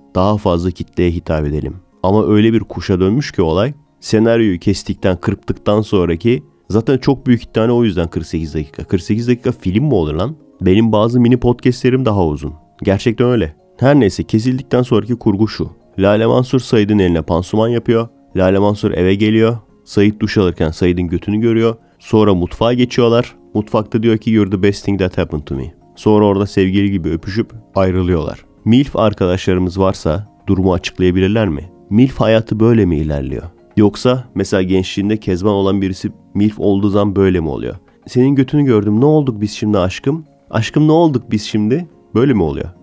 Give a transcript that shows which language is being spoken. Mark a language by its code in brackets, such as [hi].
[tr] Daha fazla kitleye hitap edelim. Ama öyle bir kuşa dönmüş ki olay, senaryoyu kestikten, kırptıktan sonraki, zaten çok büyük ihtimalle o yüzden 48 dakika. 48 dakika film mi olur lan? Benim bazı mini podcastlerim daha uzun. Gerçekten öyle. Her neyse, kesildikten sonraki kurgu şu. Lale Mansur Said'in eline pansuman yapıyor. Lale Mansur eve geliyor. Said duş alırken Said'in götünü görüyor. Sonra mutfağa geçiyorlar. Mutfakta diyor ki [en] you're the best thing that happened to me. [tr] Sonra orada sevgili gibi öpüşüp ayrılıyorlar. MILF arkadaşlarımız varsa durumu açıklayabilirler mi? MILF hayatı böyle mi ilerliyor? Yoksa mesela gençliğinde kezban olan birisi MILF olduğu zaman böyle mi oluyor? Senin götünü gördüm, ne olduk biz şimdi aşkım? Aşkım ne olduk biz şimdi? Böyle mi oluyor?